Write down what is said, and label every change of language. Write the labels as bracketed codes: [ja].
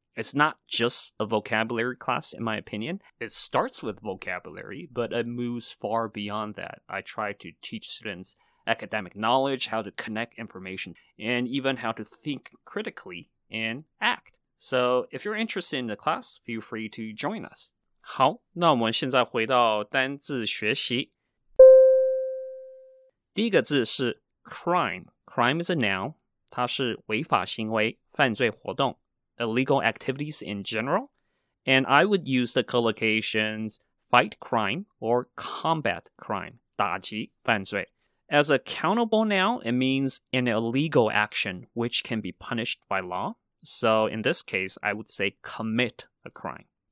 [en] It's not just a vocabulary class, in my opinion. It starts with vocabulary, but it moves far beyond that. I try to teach students academic knowledge, how to connect information, and even how to think critically and act. So if you're interested in the class, feel free to join us. [zh] 好，那我们现在回到单字学习。第一个字是 [en] crime. Crime is a noun. [zh] 它是违法行为，犯罪活动。 [en] Illegal activities in general. And I would use the collocations fight crime or combat crime. [zh] 打击犯罪。 [en] As a countable noun, it means an illegal action which can be punished by law. So in this case, I would say commit a crime.